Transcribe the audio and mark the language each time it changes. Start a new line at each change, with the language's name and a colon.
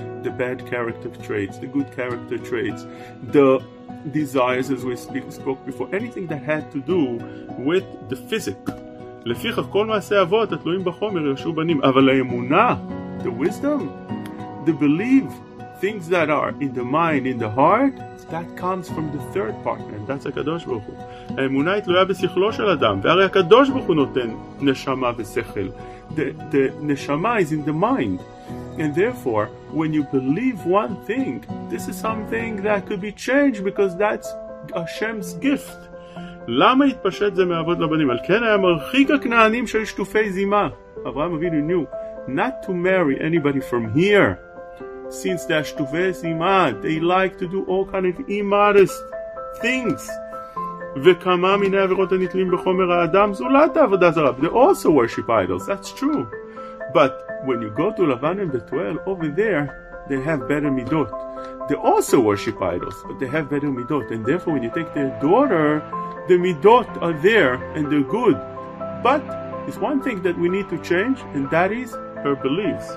English: The bad character traits, the good character traits, the desires, as we spoke before, anything that had to do with the physic.
Hebrew: לפיכך כל מעשי אבות התלויים בחומר ירשו בנים, אבל האמונה,
English: the wisdom, the belief, things that are in the mind, in the heart, that comes from the third partner, and that's הקדוש ברוך הוא.
Hebrew: האמונה היא תלויה בשכלו של אדם, והרי הקדוש ברוך הוא נותן נשמה ושכל.
English: The neshama is in the mind. And therefore, when you believe one thing, this is something that could be changed because that's Hashem's gift.
Hebrew: למה התפשט זה מאבות לבנים? על כן היה מרחיק הכנענים של שטופי זימה.
English: אברהם אבינו knew not to marry anybody from here. Since they are שטופי זימה, they like to do all kind of immodest things.
Hebrew: וכמה מיני עבירות הנתלים בחומר האדם, זולת העבודה זרה.
English: They also worship idols, that's true. But when you go to Lavan and Betuel, over there, they have better midot. They also worship idols, but they have better midot. And therefore, when you take their daughter, the midot are there, and they're good. But it's one thing that we need to change, and that is her beliefs.